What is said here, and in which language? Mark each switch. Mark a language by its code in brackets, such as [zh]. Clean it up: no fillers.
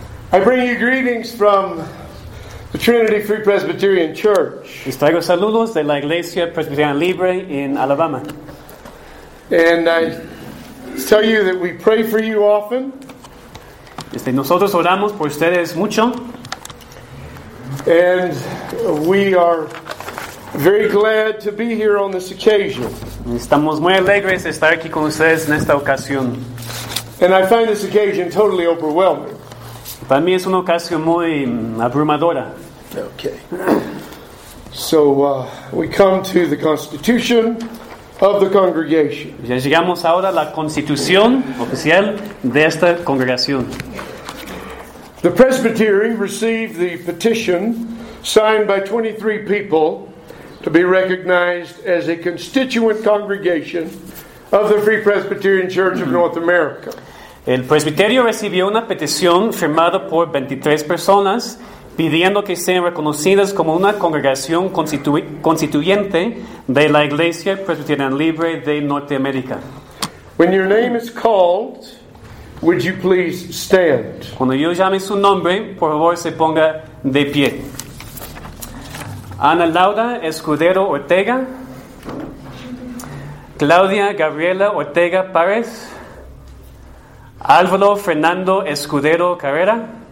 [en] I bring you greetings from the Trinity Free Presbyterian Church. [es] Les traigo saludos de la Iglesia Presbiteriana Libre en Alabama. [en] And I tell you that we pray for you often. [es] Nosotros oramos por ustedes mucho. [en] And we are very glad to be here on this occasion. [es] Estamos muy alegres de estar aquí con ustedes en esta ocasión. [en] And I find this occasion totally overwhelming. [es] Para mí es una ocasión muy abrumadora. Okay. So we come to the constitution of the congregation. Ya llegamos ahora a la constitución oficial de esta congregación. [en] The presbytery received the petition signed by 23 people to be recognized as a constituent congregation of the Free Presbyterian Church of North America. [es] El presbiterio recibió una petición firmada por 23 personas pidiendo que sean reconocidas como una congregación constituyente de la Iglesia Presbiteriana Libre de Norteamérica. [en] When your name is called, would you please stand? [es] Cuando yo llame su nombre, por favor se ponga de pie. Ana Laura Escudero Ortega, Claudia Gabriela Ortega Párez, Álvaro Fernando Escudero Carrera,